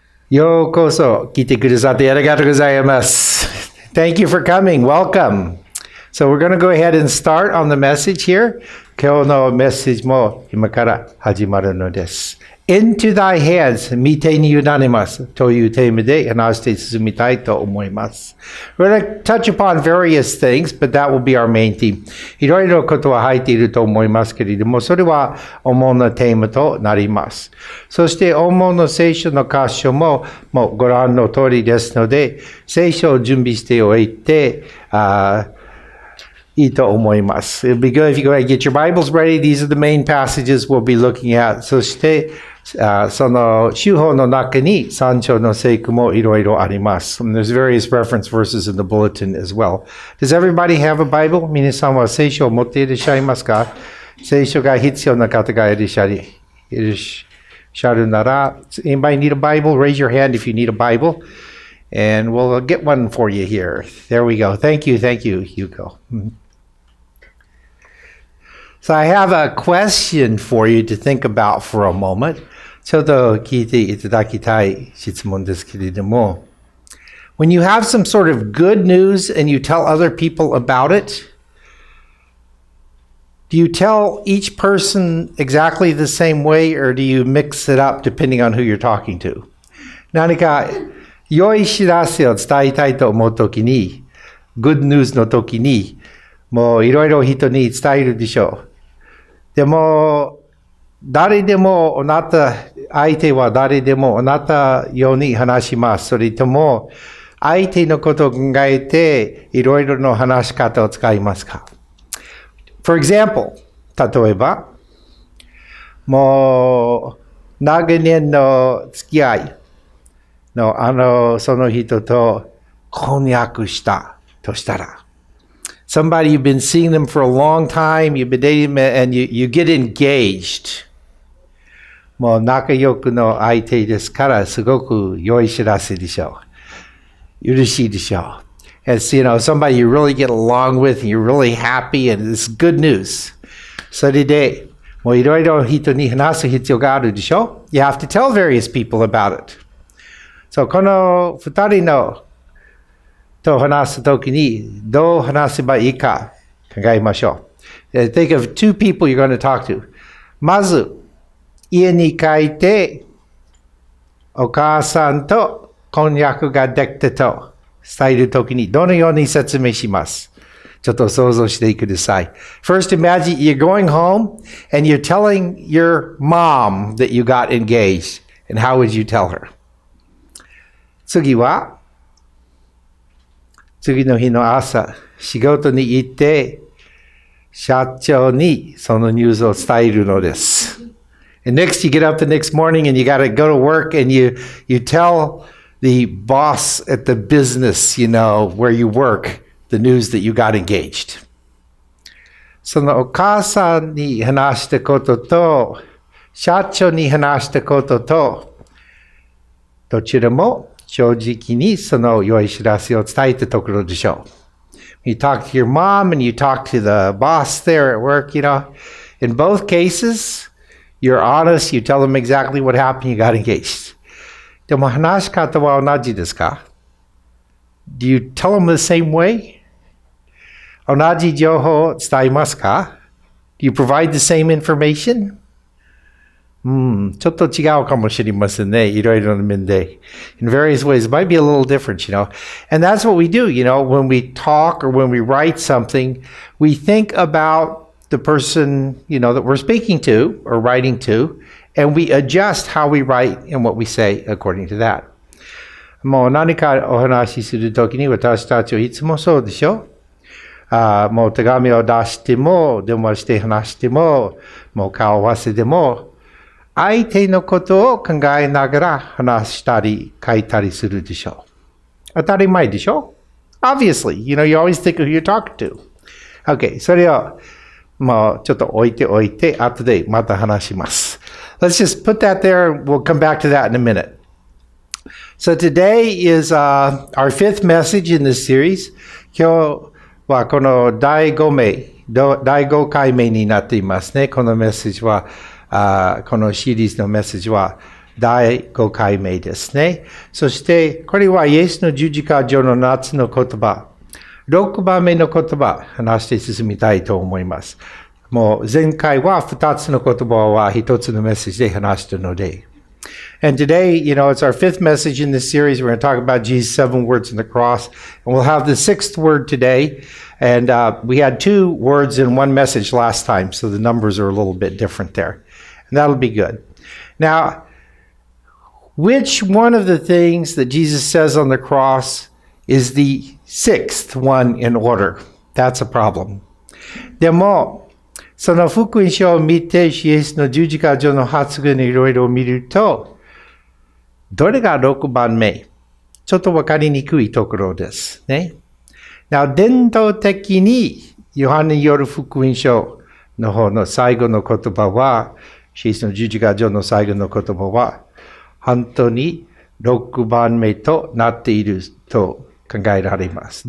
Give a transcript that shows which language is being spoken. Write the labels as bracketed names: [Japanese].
[Japanese] ようこそ来てくださってありがとうございます。 [English] Thank you for coming. Welcome. So we're going to go ahead and start on the message here. [Japanese] 今日のメッセージも今から始まるのです。 [English] Into thy hands, [Japanese] 御手にゆだねますというテーマで話して進みたいと思います。 [English] We're going to touch upon various things, but that will be our main theme. [Japanese] いろいろことは入っていると思いますけれども、それは主なテーマとなります。そして主な聖書の箇所も、もうご覧の通りですので、聖書を準備しておいて、いいと思います。 [English] It'll be good if you go ahead and get your Bibles ready. These are the main passages we'll be looking at. [Japanese] そして、その、修法の中に三章の聖句もいろいろあります。 [English] And、there's various reference verses in the bulletin as well. Does everybody have a Bible? [Japanese] 皆さんは聖書を持っていらっしゃいますか？聖書が必要な方がいらっしゃるなら、 [English] anybody need a Bible? Raise your hand if you need a Bible. And we'll get one for you here. There we go. Thank you, Hugo. So I have a question for you to think about for a moment. [Japanese] ちょっと聞いていただきたい質問ですけれども。 [English] When you have some sort of good news and you tell other people about it, do you tell each person exactly the same way or do you mix it up depending on who you're talking to? [Japanese] 何か良い知らせを伝えたいと思うときに、good news のときに、もういろいろ人に伝えるでしょう。でも、誰でもあなた、相手は誰でもあなたように話します。それとも、相手のことを考えて、いろいろの話し方を使いますか。 [English] For example, [Japanese] 例えば、もう、長年の付き合いの、その人と婚約したとしたら、 [English] Somebody, you've been seeing them for a long time, you've been dating them, and you get engaged. [Japanese] もう仲良くの相手ですから、すごく良い知らせでしょう。嬉しいでしょう。 [English] It's, you know, somebody you really get along with, and you're really happy, and it's good news. [Japanese] それで、もういろいろ人に話す必要があるでしょう。 [English] You have to tell various people about it. [Japanese] So, この二人の、と話すときにどう話せばいいか考えましょう。 [English] Think of two people you're going to talk to. [Japanese] まず、家に帰ってお母さんと婚約ができたと伝えるときにどのように説明します。ちょっと想像してください。 [English] First, imagine you're going home and you're telling your mom that you got engaged. And how would you tell her? [Japanese] 次は、次の日の朝、仕事に行って、社長にそのニュースを伝えるのです。 [English] And next, you get up the next morning and you gotta go to work and you tell the boss at the business, you know, where you work, the news that you got engaged. [Japanese] そのお母さんに話したことと、社長に話したことと、どちらも、正直にその良い知らせを伝えたところでしょう。 [English] You talk to your mom and you talk to the boss there at work, you know. In both cases, you're honest, you tell them exactly what happened, you got engaged. [Japanese] でも話し方は同じですか? [English] Do you tell them the same way? [Japanese] 同じ情報を伝えますか? [English] Do you provide the same information? [Japanese] ちょっと違うかもしれませんね。いろいろな面で。 [English] In various ways, it might be a little different, you know. And that's what we do, you know, when we talk or when we write something, we think about the person, you know, that we're speaking to or writing to, and we adjust how we write and what we say according to that. [Japanese] もう何かお話しするときに私たちはいつもそうでしょ。もう手紙を出しても、電話して話しても、もう顔合わせでも、相手のことを考えながら話したり書いたりするでしょう。当たり前でしょ? [English] Obviously, you know, you always think of who you're talking to. [Japanese] Okay, それをもうちょっと置いておいて、後でまた話します。 [English] Let's just put that there and we'll come back to that in a minute. So today is our fifth message in this series. [Japanese] 今日はこの第5回目になっていますね。このメッセージはこのシリーズのメッセージは第5回目ですね。そしてこれはイエスの十字架上の夏の言葉、6番目の言葉、話して進みたいと思います。もう前回は2つの言葉は1つのメッセージで話したので、 [English] And today, you know, it's our fifth message in this series. We're going to talk about Jesus' seven words on the cross. And we'll have the sixth word today. And we had two words in one message last time, so the numbers are a little bit different there. And that'll be good. Now, which one of the things that Jesus says on the cross is the sixth one in order? That's a problem. [Japanese] でも、その福音書を見て、イエスの十字架上の発言いろいろ見ると、どれが6番目？ちょっとわかりにくいところですね。Now, 伝統的に、ヨハネによる福音書の方の最後の言葉は、イエスの十字架上の最後の言葉は、本当に6番目となっていると考えられます。